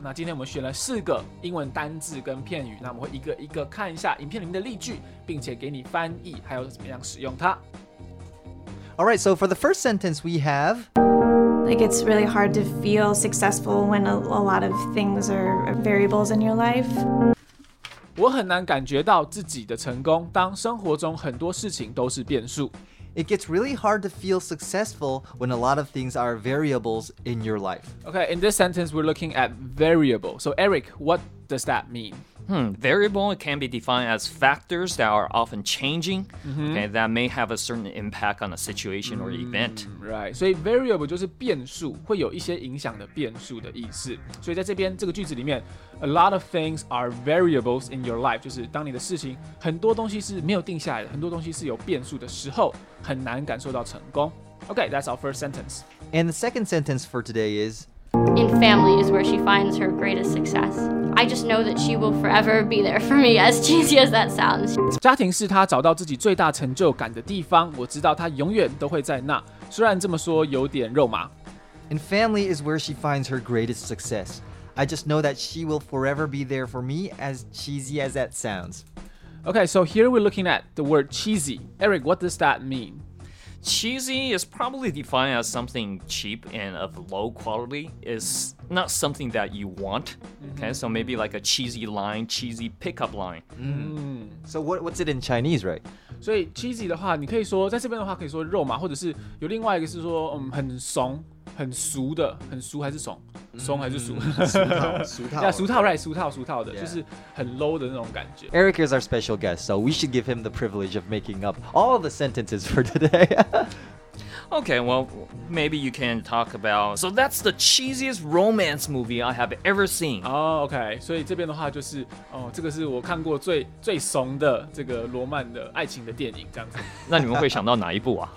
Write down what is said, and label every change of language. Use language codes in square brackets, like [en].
[zh] 那今天我们选了四个英文单字跟片语，那我们会一个一个看一下影片里面的例句，并且给你翻译，还有怎么样使用它。 [en] All right, so for the first sentence we have... Like, it's really hard to feel successful when a lot of things are variables in your life. [zh] 我很难感觉到自己的成功，当生活中很多事情都是变数。 [en] It gets really hard to feel successful when a lot of things are variables in your life. Okay, in this sentence, we're looking at variable. So, Eric, what does that mean? Variable can be defined as factors that are often changing, okay, that may have a certain impact on a situation or event. Right, [zh] 所以 variable 就是变数，会有一些影响的变数的意思。所以在这边这个句子里面 ， [en] a lot of things are variables in your life， [zh] 就是当你的事情很多东西是没有定下来的，很多东西是有变数的时候，很难感受到成功。 [en] Okay, that's our first sentence. And the second sentence for today is. In family is where she finds her greatest success. I just know that she will forever be there for me, as cheesy as that sounds. [zh] 家庭是她找到自己最大成就感的地方，我知道她永远都会在那。虽然这么说有点肉麻。 [en] And family is where she finds her greatest success. I just know that she will forever be there for me, as cheesy as that sounds. Okay, so here we're looking at the word cheesy. Eric, what does that mean? Cheesy is probably defined as something cheap and of low quality. It's not something that you want. Okay, so maybe like a cheesy line, cheesy pickup line. So what's it in Chinese, right? [zh] 所以 cheesy 的话，你可以说在这边的话可以说肉麻，或者是有另外一个是说很怂、很俗的，很俗还是怂？怂还是俗？俗套。 俗套 ， [en] right？ [zh] 俗套的， [en] yeah. [zh] 就是很 low 的那种感觉。 [en] Eric is our special guest, so we should give him the privilege of making up all of the sentences for today. Okay, well, maybe you can talk about. So that's the cheesiest romance movie I have ever seen. Oh, okay. [zh] 所以这边的话就是，哦，这个是我看过最怂的这个罗曼的爱情的电影，这样子。那你们会想到哪一部啊